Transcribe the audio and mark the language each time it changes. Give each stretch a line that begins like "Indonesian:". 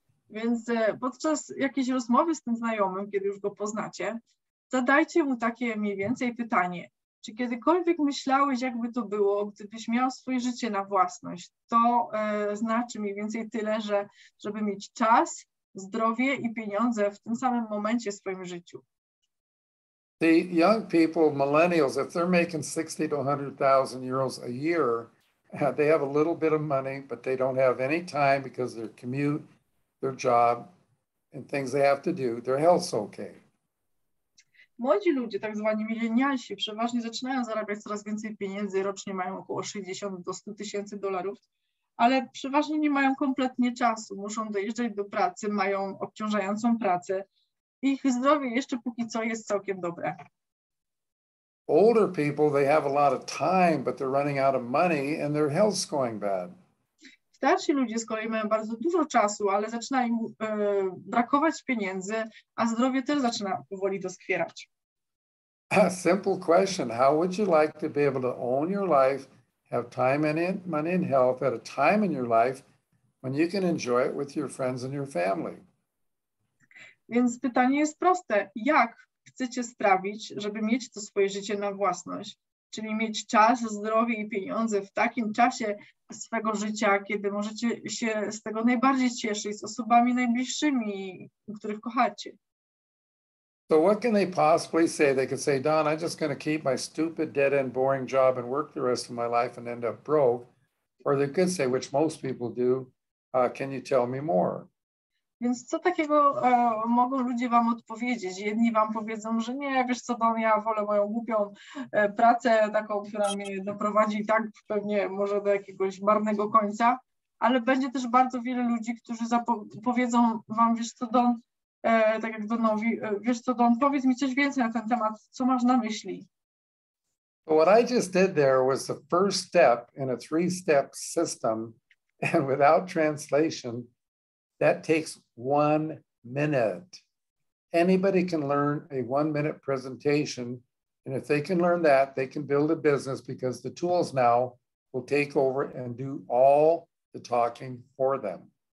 Polish: Więc podczas jakiejś rozmowy z tym znajomym, kiedy już go poznacie, zadajcie mu takie mniej więcej pytanie. Czy kiedykolwiek myślałeś, jakby to było, gdybyś miał swoje życie na własność? To znaczy mniej więcej tyle, że żeby mieć czas, zdrowie i pieniądze w tym samym momencie w swoim życiu.
English: The young people, millennials, if they're making 60 to 100,000 euros a year, they have a little bit of money, but they don't have any time because their commute, their job, and things they have to do, their health's okay.
Polish: Młodzi ludzie, tak zwani milenialsi, przeważnie zaczynają zarabiać coraz więcej pieniędzy, rocznie mają około 60 do 100 tysięcy dolarów, ale przeważnie nie mają kompletnie czasu, muszą dojeżdżać do pracy, mają obciążającą pracę. Ich zdrowie jeszcze póki co jest całkiem dobre.
English: Older people, they have a lot of time, but they're running out of money and their health's going bad.
Polish: Starsi ludzie z kolei mają bardzo dużo czasu, ale zaczyna im brakować pieniędzy, a zdrowie też zaczyna powoli doskwierać.
English: A simple question, how would you like to be able to own your life, have time and money and health at a time in your life when you can enjoy it with your friends and your family?
Polish: Więc pytanie jest proste. Jak chcecie sprawić, żeby mieć to swoje życie na własność? Czyli mieć czas, zdrowie i pieniądze w takim czasie swego życia, kiedy możecie się z tego najbardziej cieszyć, z osobami najbliższymi, których kochacie.
English: So what can they possibly say? They could say, Don, I'm just going to keep my stupid, dead-end, boring job and work the rest of my life and end up broke. Or they could say, which most people do, can you tell me more?
Polish: Więc co takiego mogą ludzie wam odpowiedzieć? Jedni wam powiedzą, że nie, wiesz co, Don, ja wolę moją głupią pracę, taką, która mnie doprowadzi tak pewnie może do jakiegoś marnego końca. Ale będzie też bardzo wiele ludzi, którzy powiedzą wam, wiesz co, Don, tak jak Donowi, wiesz co, Don, powiedz mi coś więcej na ten temat, co masz na myśli?
English: What I just did there was the first step in a three-step system, and without translation, that takes 1 minute. Anybody can learn a 1 minute presentation, and if they can learn that, they can build a business because the tools now will take over and do all the talking for them.